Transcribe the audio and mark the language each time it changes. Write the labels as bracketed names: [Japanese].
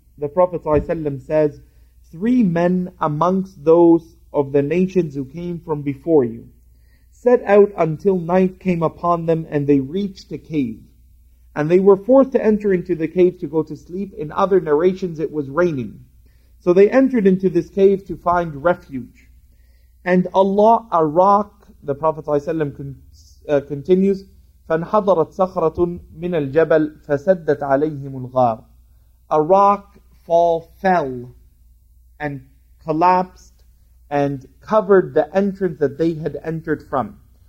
[English] The Prophet ﷺ says, three men amongst those of the nations who came from before you set out until night came upon them and they reached a cave. And they were forced to enter into the cave to go to sleep. In other narrations, it was raining. So they entered into this cave to find refuge. And Allah, a rock, the Prophet ﷺ continues, [Arabic] فَانْحَضَرَتْ سَخْرَةٌ مِنَ الْجَبَلِ فَسَدَّتْ عَلَيْهِمُ الْغَارِ. [English] A rock fell and collapsed and covered the entrance that they had entered from.